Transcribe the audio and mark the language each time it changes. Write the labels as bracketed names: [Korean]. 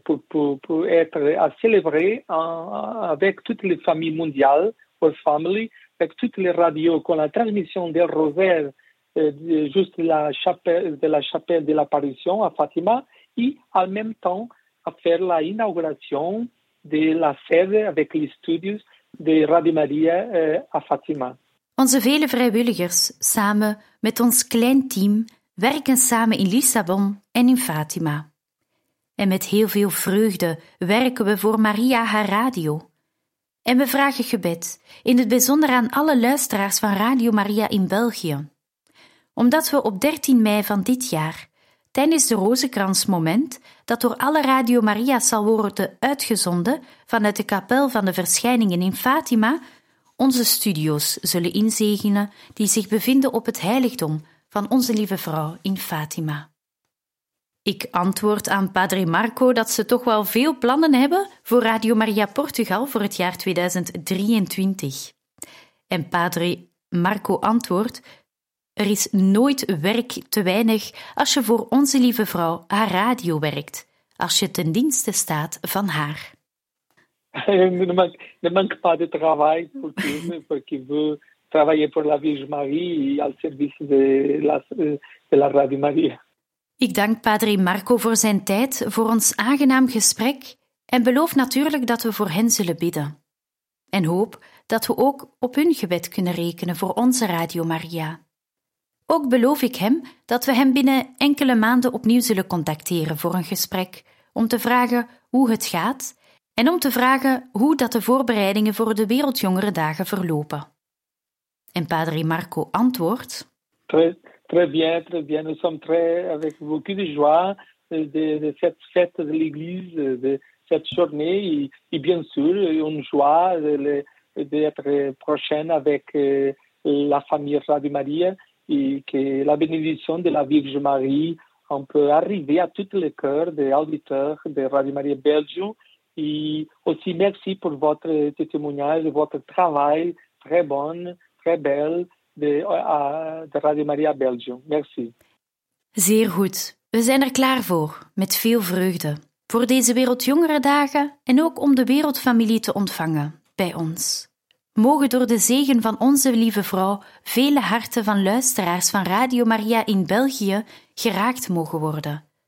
[French] Pour être à célébrer avec toutes les familles mondiales, [English] our family, [French] avec toutes les radios, avec la transmission des rosaires juste de la chapelle de l'Apparition à Fatima, et en même temps à faire l'inauguration de la sede avec les studios de Radio Maria à Fatima. [Dutch] Onze vele vrijwilligers, samen met ons klein team, werken samen in Lissabon en in Fatima. En met heel veel vreugde werken we voor Maria haar radio. En we vragen gebed, in het bijzonder aan alle luisteraars van Radio Maria in België. Omdat we op 13 mei van dit jaar, tijdens de Rozenkransmoment, dat door alle Radio Maria's zal worden uitgezonden vanuit de kapel van de Verschijningen in Fatima, onze studio's zullen inzegenen die zich bevinden op het heiligdom van Onze Lieve Vrouw in Fatima. Ik antwoord aan Padre Marco dat ze toch wel veel plannen hebben voor Radio Maria Portugal voor het jaar 2023. En Padre Marco antwoordt: er is nooit werk te weinig als je voor Onze Lieve Vrouw haar radio werkt, als je ten dienste staat van haar. [French] Ne manque pas de travail pour qui veut travailler pour la Vierge Marie al service de la Radio Maria. [Dutch] Ik dank Padre Marco voor zijn tijd, voor ons aangenaam gesprek en beloof natuurlijk dat we voor hen zullen bidden. En hoop dat we ook op hun gebed kunnen rekenen voor onze Radio Maria. Ook beloof ik hem dat we hem binnen enkele maanden opnieuw zullen contacteren voor een gesprek, om te vragen hoe het gaat en om te vragen hoe dat de voorbereidingen voor de Wereldjongerendagen verlopen. En Padre Marco antwoordt... [French] Très bien. Nous sommes très avec beaucoup de joie de cette fête de l'Église, de cette journée et bien sûr une joie d'être prochaine avec la famille Radio Maria et que la bénédiction de la Vierge Marie on peut arriver à tous les cœurs des auditeurs de Radio Maria Belgium et aussi merci pour votre témoignage, votre travail très bon, très bel. De Radio Maria Belgium. Merci. [Dutch] Zeer goed. We zijn er klaar voor, met veel vreugde. Voor deze Wereldjongerendagen en ook om de wereldfamilie te ontvangen, bij ons. Mogen door de zegen van Onze Lieve Vrouw vele harten van luisteraars van Radio Maria in België geraakt mogen worden.